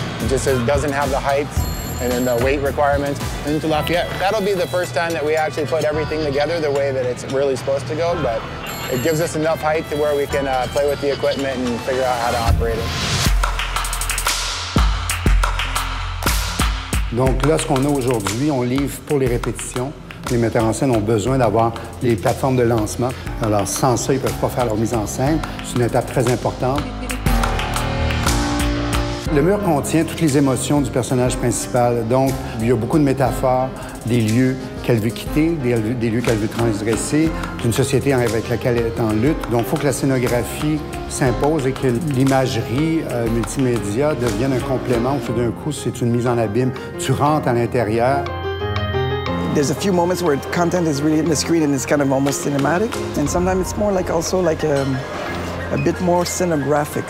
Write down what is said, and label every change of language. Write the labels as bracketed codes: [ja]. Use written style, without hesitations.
[en] It just doesn't have the heights and then the weight requirements into Lafayette. That'll be the first time that we actually put everything together the way that it's really supposed to go, but it gives us enough height to where we can play with the equipment and figure out how to operate it. [fr] Donc là, ce qu'on a aujourd'hui, on livre pour les répétitions. Les metteurs en scène ont besoin d'avoir les plateformes de lancement. Alors sans ça, ils ne peuvent pas faire leur mise en scène. C'est une étape très importante. Le mur contient toutes les émotions du personnage principal. Donc, il y a beaucoup de métaphores des lieux qu'elle veut quitter, des lieux qu'elle veut transgresser, d'une société avec laquelle elle est en lutte. Donc, il faut que la scénographie s'impose et que l'imagerie multimédia devienne un complément. Tout d'un coup, c'est une mise en abîme. Tu rentres à l'intérieur. [en] There's a few moments where the content is really in the screen and it's kind of almost cinematic. And sometimes it's more like also like a bit more scenographic.